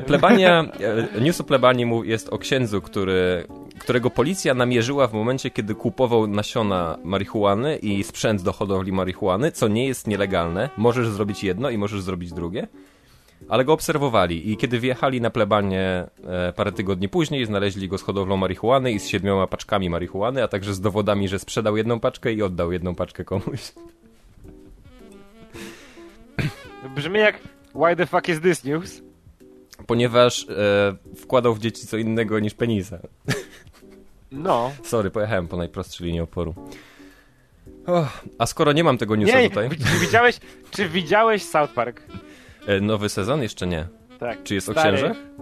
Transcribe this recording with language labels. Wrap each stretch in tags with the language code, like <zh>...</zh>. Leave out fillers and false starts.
<pl>Plebania, news o plebanii jest o księdzu, którego policja namierzyła w momencie, kiedy kupował nasiona marihuany i sprzęt do hodowli marihuany, co nie jest nielegalne. Możesz zrobić jedno i możesz zrobić drugie. Ale go obserwowali i kiedy wjechali na plebanie parę tygodni później, znaleźli go z hodowlą marihuany i z 7 paczkami marihuany, a także z dowodami, że sprzedał 1 paczkę i oddał 1 paczkę komuś. Brzmi jak</pl> <en>why the fuck is this news?</en> <pl>Ponieważ wkładał w dzieci co innego niż penisa. No. Sorry, pojechałem po najprostszej linii oporu. Oh, a skoro nie mam tego newsa tutaj... Czy widziałeś South Park? Nowy sezon? Jeszcze nie. Tak. Czy jest o księżach?</pl>